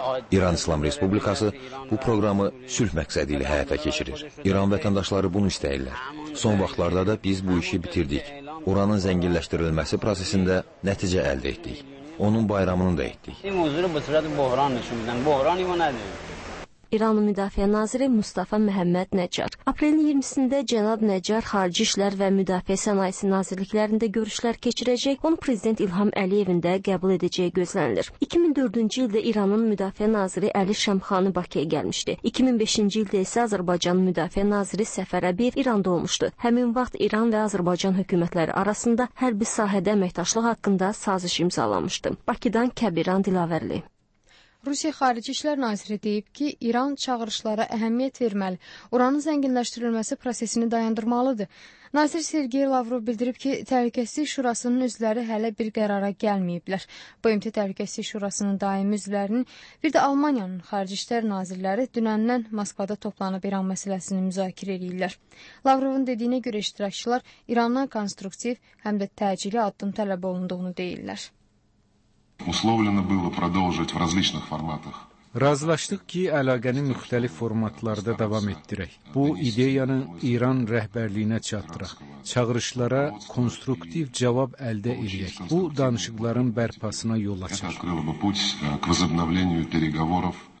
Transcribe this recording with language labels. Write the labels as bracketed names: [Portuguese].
[Azerbaijani] İran İslam Respublikası bu programı sülh məqsədi ilə həyata keçirir. İran vətəndaşları bunu istəyirlər. Son vaxtlarda da biz bu işi bitirdik. Uranın zənginləşdirilməsi prosesində nəticə əldə etdik. Onun bayramını da etdik. İranlı Müdafiə Naziri Mustafa Məhəmməd Nəccar. Aprelin 20-sində Cənab Nəccar Xarici İşlər və Müdafiə Sənayesi Nazirliklərində görüşlər keçirəcək, onu Prezident İlham Əliyevin də qəbul edəcəyi gözlənilir. 2004-cü ildə İranın Müdafiə Naziri Əli Şəmxani Bakıya gəlmişdi. 2005-ci ildə isə Azərbaycan Müdafiə Naziri Səfər Əbiyev İranda olmuşdu. Həmin vaxt İran və Azərbaycan hökumətləri arasında hərbi sahədə əməkdaşlıq haqqında saziş imzalanmışdı. Bakıdan Kəbiran Dilavərli. Rusiya Xarici İşlər Naziri deyib ki, İran çağırışlara əhəmiyyət verməli, oranın zənginləşdirilməsi prosesini dayandırmalıdır. Nazir Sergey Lavrov bildirib ki, Təhlükəsizlik Şurasının üzvləri hələ bir qərara gəlməyiblər. BMT Təhlükəsizlik Şurasının daimi üzvlərinin, bir də Almaniyanın xarici işlər nazirləri dünəndən Moskvada toplanıb İran məsələsini müzakirə edirlər. Lavrovun dediyinə görə iştirakçılar İrandan konstruktiv, həm də təcili addım tələb olunduğunu deyirlər. [Russian] Условлено было продолжить в различных форматах. [Azerbaijani] Razılaşdıq ki, əlaqəni müxtəlif formatlarda davam etdirək. Bu ideyanı İran rəhbərliyinə çatdıraq. Çağırışlara konstruktiv cavab əldə edək. Bu danışıqların bərpasına yol açar.